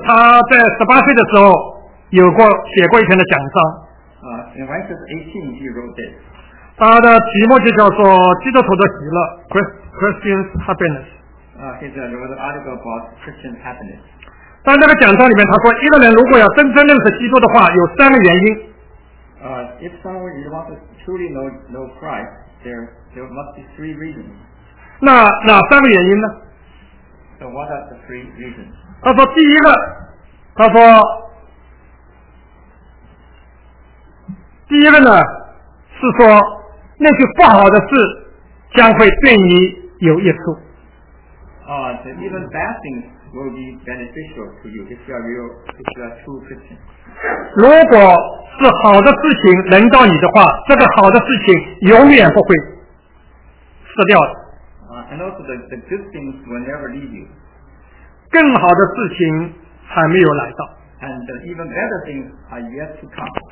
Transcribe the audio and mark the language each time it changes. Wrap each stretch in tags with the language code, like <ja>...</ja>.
<zh>他在18岁的时候写过一篇的讲章。</zh> <en>When he was 18, he wrote this.</en> <zh>他的题目就叫做基督徒的喜乐</zh> <en>Christian's Happiness. He wrote an article about Christian's Happiness.</en> <zh>但这个讲章里面他说一个人如果要真正认识基督的话有三个原因。</zh> <en>If someone wants to truly know Christ, there must be three reasons.</en> <zh>那哪三个原因呢？</zh> <en>So what are the three reasons?</en> <zh>他说第一个，他说第一个呢是说那些不好的事将会对你有益处。</zh> <en>Even bad things will be beneficial to you if you are real, if you are true Christian.</en> <zh>如果是好的事情轮到你的话，这个好的事情永远不会失掉的。</zh> <en>And also the good things will never leave you.</en> <zh>更好的事情还没有来到。</zh> <en>And even better things are yet to come.</en>